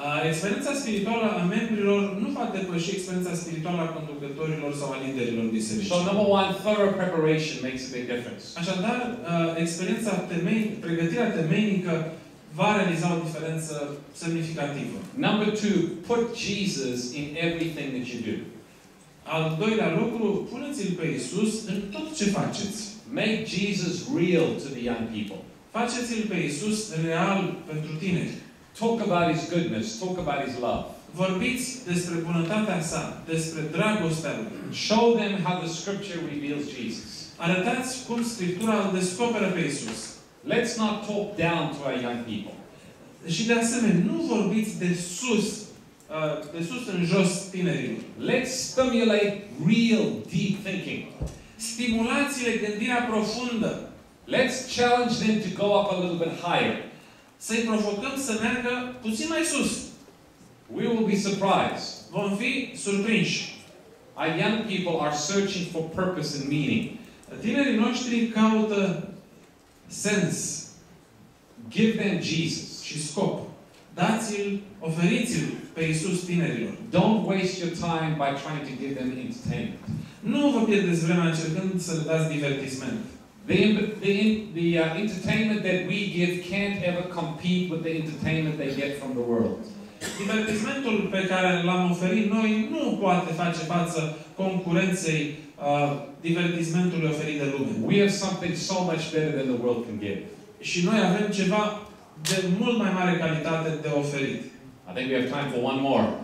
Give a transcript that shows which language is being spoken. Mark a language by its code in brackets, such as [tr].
[ro] Experiența spirituală a membrilor nu va depăși experiența spirituală a conducătorilor sau a liderilor bisericii. [en] So number one, thorough preparation makes a big difference. [ro] Așadar, experiența temeinică, pregătirea temeinică va realiza o diferență semnificativă. [en] Number two, put Jesus in everything that you do. [ro] Al doilea lucru, puneți-L pe Iisus în tot ce faceți. [en] Make Jesus real to the young people. [ro] Faceți-L pe Iisus real pentru tine. [en] Talk about His goodness, talk about His love. [ro] Vorbiți despre bunătatea Sa, despre dragostea Lui. [en] Show them how the Scripture reveals Jesus. [ro] Arătați cum Scriptura îl descoperă pe Iisus. [en] Let's not talk down to our young people. [ro] Și de asemenea, nu vorbiți de sus de sus în jos tinerilor. [en] Let's stimulate real deep thinking. [ro] Stimulați-le gândirea profundă. [en] Let's challenge them to go up a little bit higher. [ro] Să-i provocăm să meargă puțin mai sus. [en] We will be surprised. [ro] Vom fi surprinși. [en] Our young people are searching for purpose and meaning. [ro] Tinerii noștri caută sens. [en] Give them Jesus. [ro] Și scop. Dați-l, oferiți-l pe Iisus tinerilor. [en] Don't waste your time by trying to give them entertainment. [ro] Nu vă pierdeți vremea încercând să le dați divertisment. [en] The entertainment that we give can't ever compete with the entertainment they get from the world. [ro] Divertismentul pe care l-am oferit noi nu poate face față concurenței divertismentului oferit de lume. [en] We have something so much better than the world can give. [ro] Și noi avem ceva de mult mai mare calitate de oferit. [en] I think we have time for one more.